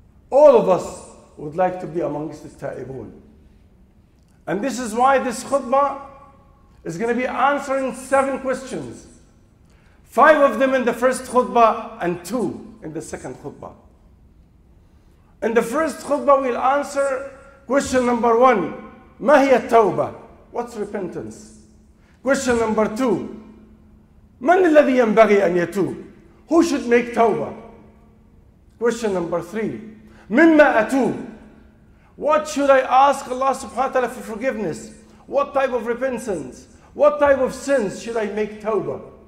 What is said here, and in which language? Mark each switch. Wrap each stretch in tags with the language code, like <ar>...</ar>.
<en>All of us would like to be amongst the ta'ibun. And this is why this khutbah is going to be answering seven questions. Five of them in the first khutbah and two in the second khutbah. In the first khutbah, we'll answer question number one,</en> <ar>ما هي التوبة?</ar> <en>What's repentance? Question number two,</en> <ar>من الذي ينبغي أن يتوب?</ar> <en>Who should make توبة? Question number three,</en> <ar>مما أتوب?</ar> <en>What should I ask Allah subhanahu wa ta'ala for forgiveness? What type of repentance? What type of sins should I make tawbah?</en>